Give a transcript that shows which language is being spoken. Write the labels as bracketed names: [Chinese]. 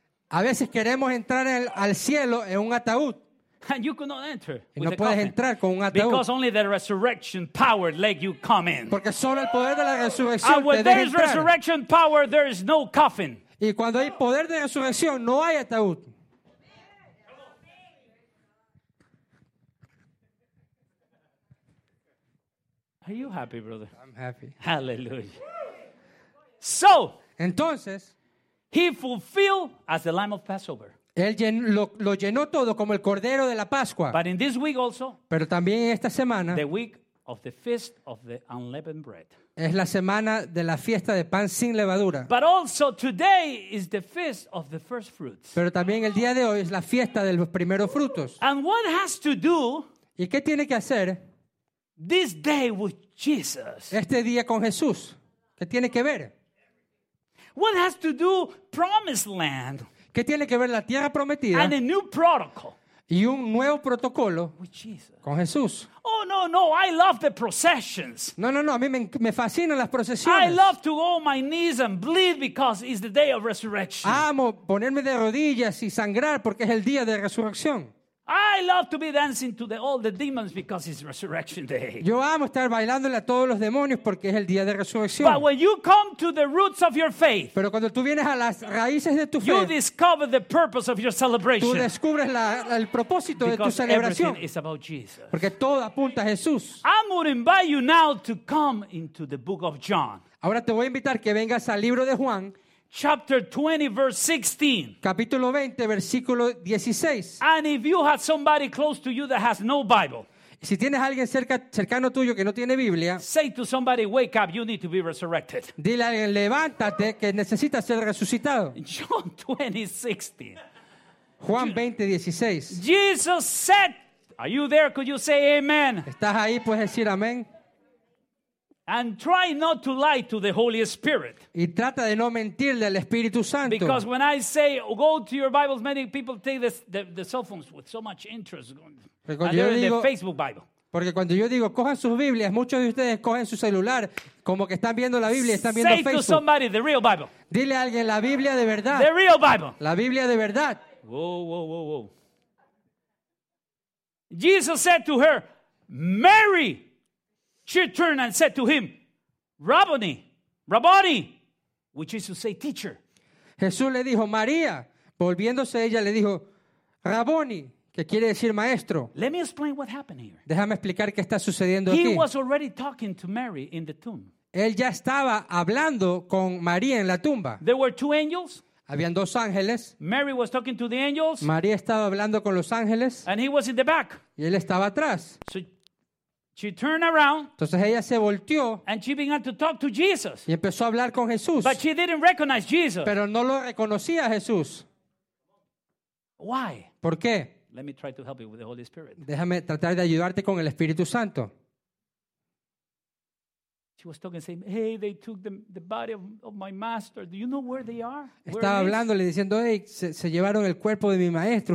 [Spanish] A veces queremos entrar al cielo en un ataúd. [English] And you cannot enter. [Spanish] Y no puedes entrar con un ataúd. [English] Because only the resurrection power let you come in. [Spanish] Porque solo el poder de la resurrección. [English] And when there is resurrection power, there is no coffin. [Spanish] Y cuando hay poder de resurrección, no hay ataúd. [English] Are you happy, brother? I'm happy. Hallelujah. So, [Spanish] entonces, [English] he fulfilled as the Lamb of Passover. [Spanish] Él lo llenó todo como el cordero de la Pascua. [English] But in this week also, [Spanish] pero también esta semana, [English] the week of the feast of the unleavened bread. [Spanish] Es la semana de la fiesta de pan sin levadura. [English] But also today is the feast of the first fruits. [Spanish] Pero también el día de hoy es la fiesta de los primeros frutos. [English] And what has to do? [Spanish] ¿Y qué tiene que hacer? [English] This day with Jesus. [Spanish] Este día con Jesús. ¿Qué tiene que ver? [English] What has to do promised land? [Spanish] ¿Qué tiene que ver la tierra prometida? [English] And a new protocol. [Spanish] y un nuevo protocolo con Jesús. [English] Oh, no, no, I love the processions. [Spanish] No, no, no, a mí me fascinan las procesiones. [English] I love to go on my knees and bleed because it's the day of resurrection. [Spanish] Amo ponerme de rodillas y sangrar porque es el día de resurrección. [English] I love to be dancing to all the demons because it's resurrection day. [Spanish] Yo amo estar bailándole a todos los demonios porque es el día de resurrección. [English] But when you come to the roots of your faith, [Spanish] pero cuando tú vienes a las raíces de tu fe, [English] you discover the purpose of your celebration. [Spanish] Tú descubres el propósito [English] because [Spanish] de tu celebración. [English] Everything is about Jesus. [Spanish] Porque todo apunta a Jesús. [English] I'm going to invite you now to come into the book of John. [Spanish] Ahora te voy a invitar que vengas al libro de Juan. [English] Chapter 20, verse 16. [Spanish] Capítulo 20, versículo 16. [English] And if you have somebody close to you that has no Bible, [Spanish] si tienes alguien cercano tuyo que no tiene Biblia, [English] say to somebody, wake up, you need to be resurrected. [Spanish] Dile a alguien, levántate, que necesitas ser resucitado. [English] John 20, 16. [Spanish] Juan 20, 16. [English] Jesus said, are you there? Could you say amen? [Spanish] ¿Estás ahí? ¿Puedes decir amén? [English] And try not to lie to the Holy Spirit. [Spanish] Y trata de no mentirle al Espíritu Santo. [English] Because when I say go to your Bibles, many people take the cell phones with so much interest. [Spanish] Porque [English] Facebook Bible. [Spanish] Porque cuando yo digo cojan sus Biblias, muchos de ustedes cogen su celular como que están viendo la Biblia, están viendo [English] say Facebook. Say to somebody the real Bible. [Spanish] Dile a alguien la Biblia de verdad. [English] The real Bible. [Spanish] La Biblia de verdad. Whoa, whoa, whoa, whoa. [English] Jesus said to her, Mary. She turned and said to him, Rabboni, Rabboni, which is to say teacher. [Spanish] Jesús le dijo, María, volviéndose ella, le dijo, Rabboni, que quiere decir maestro. [English] Let me explain what happened here. [Spanish] Déjame explicar qué está sucediendo [English] he [Spanish] aquí. [English] He was already talking to Mary in the tomb. [Spanish] Él ya estaba hablando con María en la tumba. [English] There were two angels. [Spanish] Habían dos ángeles. [English] Mary was talking to the angels. [Spanish] María estaba hablando con los ángeles. [English] And he was in the back. [Spanish] Y él estaba atrás. [English] So she turned around. [Spanish] Entonces ella se volteó. [English] And she began to talk to Jesus. [Spanish] Y empezó a hablar con Jesús. [English] But she didn't recognize Jesus. [Spanish] Pero no lo reconocía a Jesús. [English] Why? [Spanish] ¿Por qué? [English] Let me try to help you with the Holy Spirit. [Spanish] Déjame tratar de ayudarte con el Espíritu Santo. [English] She was talking, saying, "Hey, they took the body of my master. Do you know where they are?" Where [Spanish] estaba [English] is? [Spanish] Hablándole diciendo, "Hey, se llevaron el cuerpo de mi maestro.